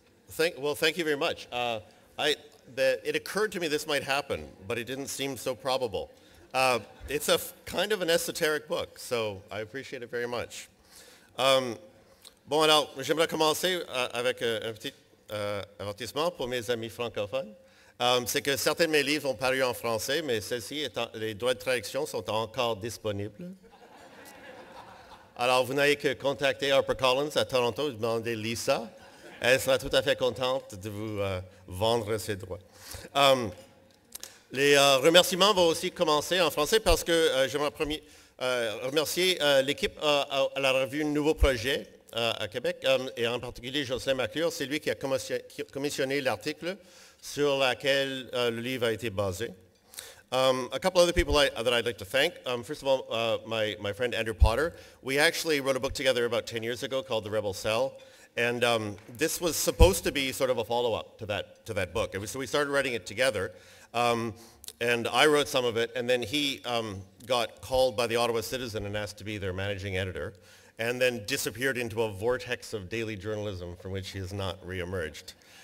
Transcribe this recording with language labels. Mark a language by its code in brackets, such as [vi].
[en] Thank you very much. It occurred to me this might happen, but it didn't seem so probable. It's a kind of an esoteric book, so I appreciate it very much. [fr] Bon, alors, j'aimerais commencer avec un petit avertissement pour mes amis francophones. C'est que certains de mes livres ont paru en français, mais celles-ci, les droits de traduction sont encore disponibles. Alors, vous n'avez que contacter HarperCollins à Toronto et demander Lisa. Elle sera tout à fait contente de vous vendre ses droits. Les remerciements vont aussi commencer en français parce que j'aimerais remercier l'équipe à la revue Nouveau Projet à Québec et en particulier Jocelyn McClure. C'est lui qui a commissionné l'article sur lequel le livre a été basé. [en] A couple other people that I'd like to thank. First of all, my friend Andrew Potter. We actually wrote a book together about 10 years ago called The Rebel Cell. And this was supposed to be sort of a follow-up to that book. So we started writing it together, and I wrote some of it, and then he got called by the Ottawa Citizen and asked to be their managing editor, and then disappeared into a vortex of daily journalism from which he has not reemerged.